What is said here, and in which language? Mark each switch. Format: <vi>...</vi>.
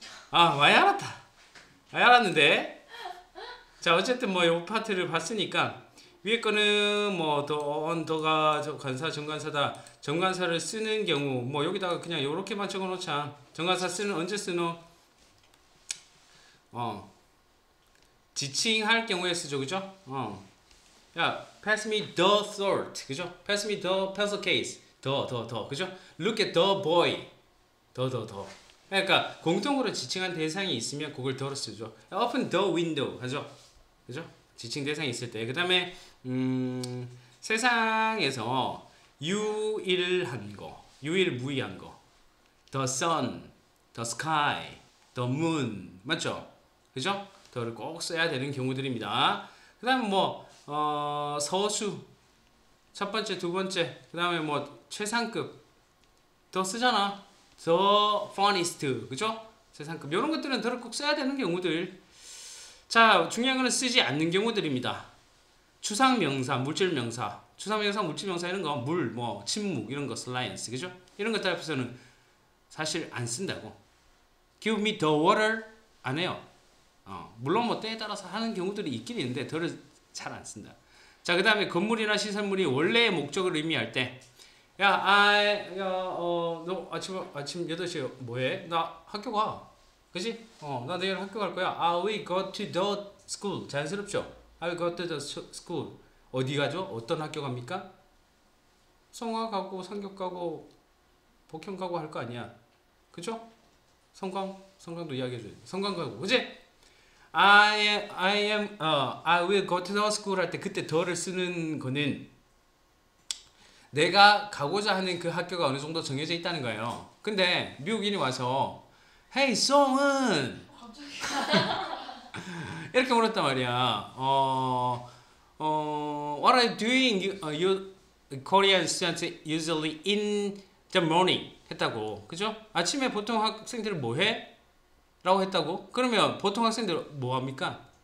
<ko>많이 알았다. 알았는데. 자, 어쨌든 뭐요 파트를 봤으니까 위에 거는 뭐 도원, 도가, 저 관사, 정관사다. 정관사를 쓰는 경우 뭐 여기다가 그냥 요렇게만 적어놓자. 정관사 쓰는 언제 쓰노? 지칭할 경우에 쓰죠, 그죠? 야,</ko> <en>pass me the salt,</en> <ko>그죠?</ko> <en>Pass me the pencil case, 더, 그죠? Look at the boy, 더.</en> <ko>그러니까 공통으로 지칭한 대상이 있으면 그걸 더로 쓰죠.</ko> <en>Open the window,</en> <ko>하죠? 그죠? 지칭 대상이 있을 때. 그다음에 세상에서 유일한 거, 유일무이한 거,</ko> <en>the sun, the sky, the moon,</en> <ko>맞죠? 그죠? 더를 꼭 써야 되는 경우들입니다. 그다음 뭐 서수 첫 번째, 두 번째, 그다음에 뭐 최상급 더 쓰잖아.</ko> <en>The funniest,</en> <ko>그죠? 최상급 이런 것들은 더를 꼭 써야 되는 경우들. 자, 중요한 거는 쓰지 않는 경우들입니다. 추상 명사, 물질 명사, 추상 명사, 물질 명사 이런 거, 물, 뭐 침묵 이런 거, silence, 그죠? 이런 것들 앞에서는 사실 안 쓴다고.</ko> <en>Give me the water</en> <ko>안 해요. 물론 뭐 때에 따라서 하는 경우들이 있긴 있는데 덜잘안 쓴다. 자, 그다음에 건물이나 시설물이 원래의 목적을 의미할 때, 야, 너 아침 8시에 뭐해? 나 학교 가. 그지? 나 내일 학교 갈 거야.</ko> <en>I will go to the school.</en> <ko>자연스럽죠?</ko> <en>I go to the school.</en> <ko>어디 가죠? 어떤 학교 갑니까? 성화 가고 상교 가고 복형 가고 할거 아니야. 그죠? 성광? 성광도 이야기해줘야 돼. 성광 가고. 그지?</ko> <en>I will go to the school</en> <ko>할때 그때 더를 쓰는 거는 내가 가고자 하는 그 학교가 어느 정도 정해져 있다는 거예요. 근데 미국인이 와서 Hey, 송은! 이렇게 물었단 말이야.</ko> <en>What are you doing, you Korean students usually in the morning?</en> <ko>했다고. 그죠? 아침에 보통 학생들은 뭐 해? 라고 했다고. 그러면 보통 학생들은 뭐 합니까?</ko>